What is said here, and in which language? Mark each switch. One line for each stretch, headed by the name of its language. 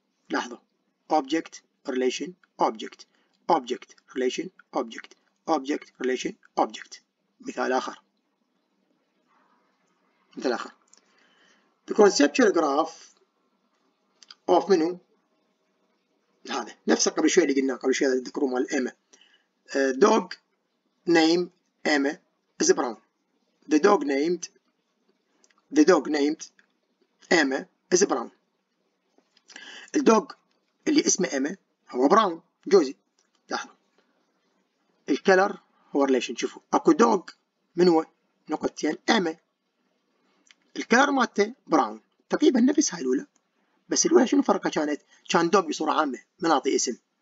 English: لاحظوا object relation object object relation object object relation object.
Arabic: مثال آخر، مثال آخر
English: the conceptual graph of
Arabic: منو؟ هذا نفسه قبل شوي اللي قلناه، قبل شوي تذكروا مال إيما.
English: dog name Emma is brown. the dog named The dog named Emma is brown.
Arabic: الدوغ اللي اسمه Emma هو براون، جوزي. لاحظوا الكلر هو ريليشن. شوفوا اكو دوغ من هو؟ نقطتين Emma. الكلر مالته براون، تقريبا نفس هاي الاولى، بس الاولى شنو فرقها؟ كانت كان دوغ بصوره عامه، ما نعطي اسم.